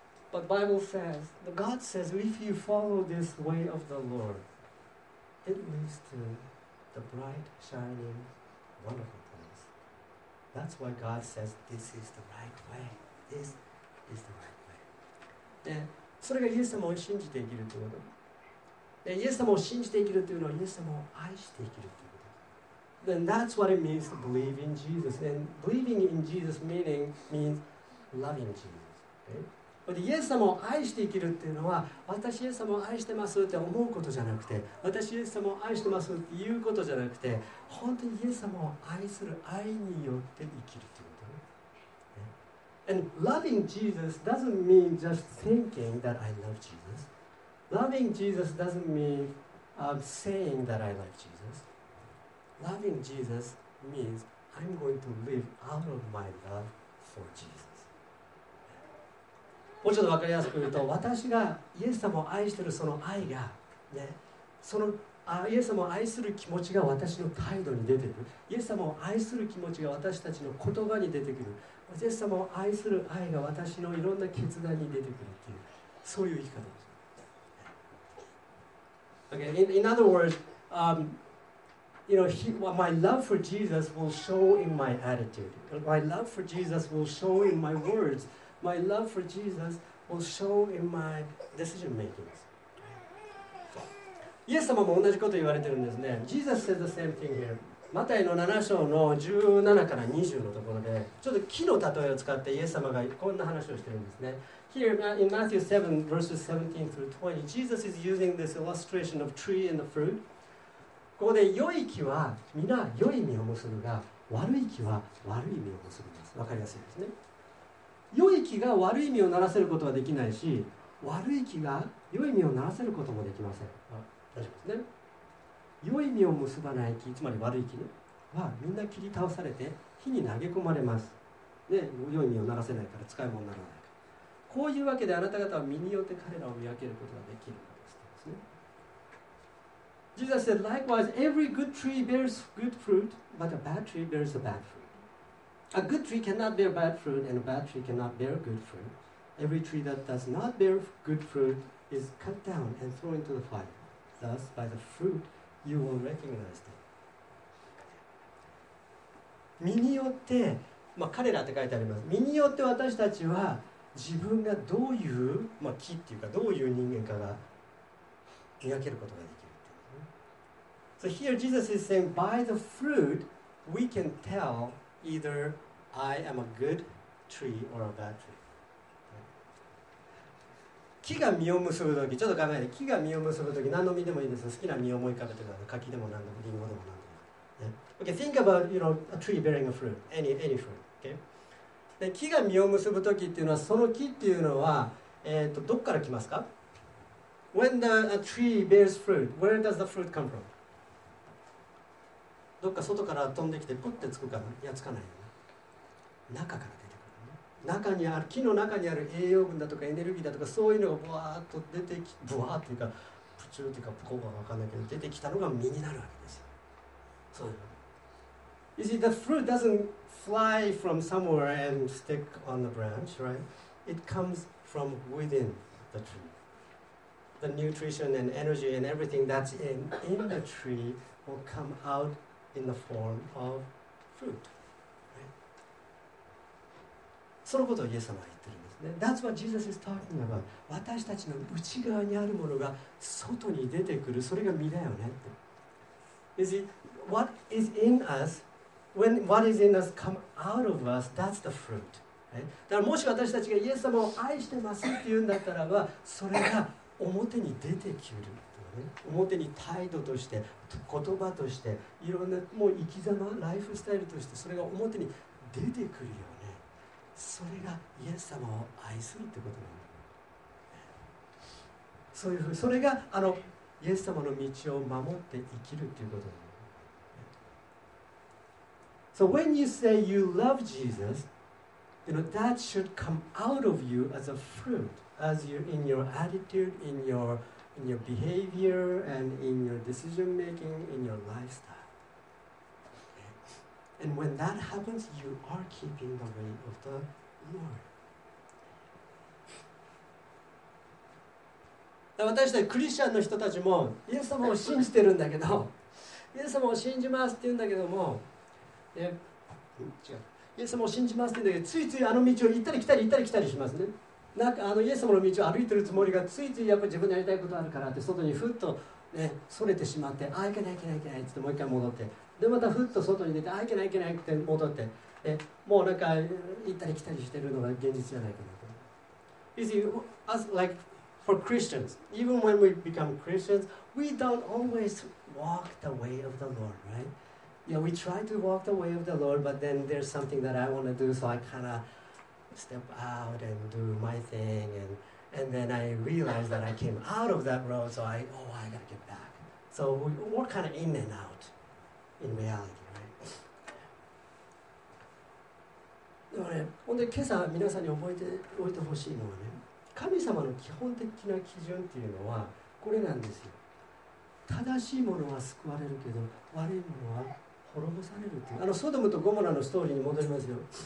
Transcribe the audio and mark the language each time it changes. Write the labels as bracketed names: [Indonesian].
[English] But Bible says, God says, if you follow this way of the Lord, it leads to the bright, shining, wonderful place. That's why God says, this is the right way. This is the right way. [Japanese] で、それがイエス様を信じて生きるということ。で、イエス様を信じて生きるというのは、イエス様を愛して生きる。 [English] Then that's what it means to believe in Jesus. And believing in Jesus meaning means loving Jesus. [Japanese] But イエス様を愛して生きるっていうのは、私イエス様を愛してますって思うことじゃなくて、私イエス様を愛してますっていうことじゃなくて、本当にイエス様を愛する愛によって生きるっていうことね。 [English] And loving Jesus doesn't mean just thinking that I love Jesus. Loving Jesus doesn't mean saying that I like Jesus. Loving Jesus means I'm going to live out of my love for Jesus. [Japanese] もうちょっとわかりやすく言うと、私がイエス様を愛しているその愛が、ね、そのイエス様を愛する気持ちが私の態度に出てくる。イエス様を愛する気持ちが私たちの言葉に出てくる。イエス様を愛する愛が私のいろんな決断に出てくるっていう、そういう生き方です。 [English] Okay, in other words, you know, my love for Jesus will show in my attitude. My love for Jesus will show in my words. My love for Jesus will show in my decision making. [Japanese] イエス様も同じこと言われてるんですね。 [English] Jesus says the same thing here. [Japanese] マタイの7章の17から20のところで、ちょっと木の例えを使ってイエス様がこんな話をしてるんですね。 [English] Here in Matthew 7 verses 17 through 20, Jesus is using this illustration of tree and the fruit. [Japanese] ここで良い木は皆良い実を結ぶが、悪い木は悪い実を結ぶんです。わかりやすいですね。良い木が悪い実をならせることはできないし、悪い木が良い実をならせることもできません。大丈夫ですね。良い実を結ばない木、つまり悪い木はみんな切り倒されて火に投げ込まれます。で、良い実をならせないから使い物にならない。こういうわけであなた方は身によって彼らを見分けることができるのですね。 [English] Jesus said, likewise, every good tree bears good fruit, but a bad tree bears a bad fruit. A good tree cannot bear bad fruit, and a bad tree cannot bear good fruit. Every tree that does not bear good fruit is cut down and thrown into the fire. Thus, by the fruit, you will recognize them. [Japanese] 身によって、まあ、彼らって書いてあります。身によって私たちは自分がどういう、まあ、木っていうかどういう人間かが見分けることができる。 [English] So here Jesus is saying, by the fruit we can tell either I am a good tree or a bad tree. [Japanese] 木が実を結ぶとき、ちょっと考えて、木が実を結ぶとき、何の実でもいいです。好きな実を思い浮かべてください。柿でも何でも、リンゴでも何でも。 [English] Okay, think about, you know, a tree bearing a fruit, any fruit. Okay? [Japanese] で木が実を結ぶときっていうのは、その木っていうのは、どこから来ますか？ [English] When a tree bears fruit, where does the fruit come from? [Japanese] どっか外から飛んできてプッてつくかな、いやつかないよね。中から出てくるね。中にある木の中にある栄養分だとかエネルギーだとか、そういうのがブワーッと出てき、ブワーッというかプチューっていうかプコーが分かんないけど、出てきたのが実になるわけですよ。そういうの。 [English] You see, the fruit doesn't fly from somewhere and stick on the branch, right? It comes from within the tree. The nutrition and energy and everything that's in the tree will come outin the form of fruit. [Japanese] そのことをイエス様は言ってるんですね。 [English] That's what Jesus is talking about. [Japanese] 私たちの内側にあるものが外に出てくる、それが実だよねって。 [English] You see, what is in us, when what is in us come out of us, that's the fruit. [Japanese] だからもし私たちがイエス様を愛してますって言うんだったらば、それが表に出てくる。表に態度として、言葉として、いろんなもう生き様、ライフスタイルとして、それが表に出てくるよね。それがイエス様を愛するってことなんだ。そういうふう、それがあのイエス様の道を守って生きるっていうことなんだ。 [English] So when you say you love Jesus, you know, that should come out of you as a fruit, as you in your attitude, in your behavior and in your decision making, in your lifestyle. And when that happens, you are keeping the way of the Lord. [Japanese] 私たちクリスチャンの人たちもイエス様を信じてるんだけど、イエス様を信じますって言うんだけども、イエス様を信じますって言うんだけど、ついついあの道を行ったり来たり行ったり来たりしますね。なんかあのイエス様の道を歩いてるつもりが、ついついやっぱり自分でやりたいことあるからって、外にふっとね、それてしまって、ああいけないいけないいけないってもう一回戻って、でまたふっと外に出て、ああいけないいけないって戻って、もうなんか行ったり来たりしてるのが現実じゃないかなと。 [English] You see, as like for Christians, even when we become Christians, we don't always walk the way of the Lord, right? Yeah, we try to walk the way of the Lord, but then there's something that I want to do, so I kind ofstep out and do my thing, and then I realize that I came out of that road, so I gotta get back. So we're kind of in and out. in reality, right? [Japanese] でもね、本当に今朝皆さんに覚えておいてほしいのはね、神様の基本的な基準っていうのはこれなんですよ。正しいものは救われるけど悪いものは滅ぼされるっていう、あのソドムとゴモラのストーリーに戻りますよ。